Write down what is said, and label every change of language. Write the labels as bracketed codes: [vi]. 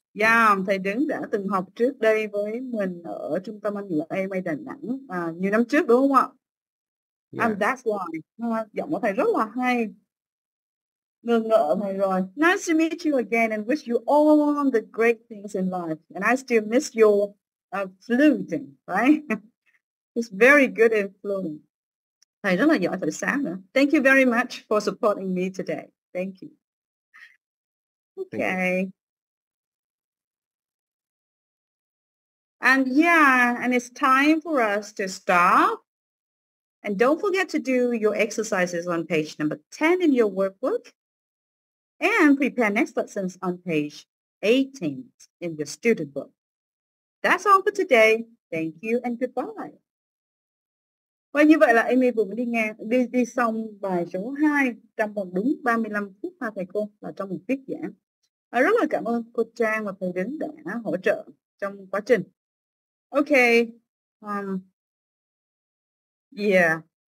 [vi] Yeah, thầy Đứng đã từng học trước đây với mình ở trung tâm Anh ngữ AMA Đà Nẵng nhiều năm trước đúng không ạ? [en] Yeah. And that's why. [vi] Giọng của thầy rất là hay. Ngưỡng ngỡ thầy rồi. [en] Nice to meet you again and wish you all the great things in life. And I still miss your flute, right? It's very good in flute. [vi] Thầy rất là giỏi thầy sáng nữa. [en] Thank you very much for supporting me today. Thank you. Okay. Thank you. And yeah, and it's time for us to stop. And don't forget to do your exercises on page number 10 in your workbook. And prepare next lessons on page 18 in your student book. That's all for today. Thank you and goodbye. [vi] Và như vậy là Amy vừa mới đi xong bài số 2 trong vòng đúng 35 phút ha thầy cô, là trong một tiết giảng. Rất là cảm ơn cô Trang và thầy Đứng đã hỗ trợ trong quá trình. [en] Okay, yeah.